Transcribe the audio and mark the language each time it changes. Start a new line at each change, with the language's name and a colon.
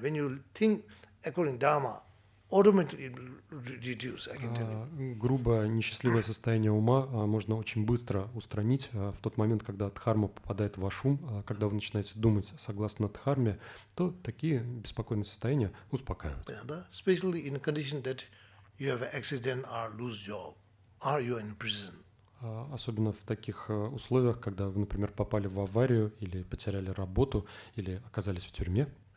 English: When you think according to dharma, automatically reduce, I can tell you.
Russian: Грубое несчастливое состояние ума можно очень быстро устранить в тот момент, когда дхарма попадает в ваш ум, когда вы начинаете думать согласно дхарме, то такие беспокойные состояния успокаивают.
English: Yeah, especially in a condition that you have an accident or lose job, or you are in prison.
Russian: Особенно в таких условиях, когда вы, например, попали в аварию или потеряли работу, или оказались в тюрьме.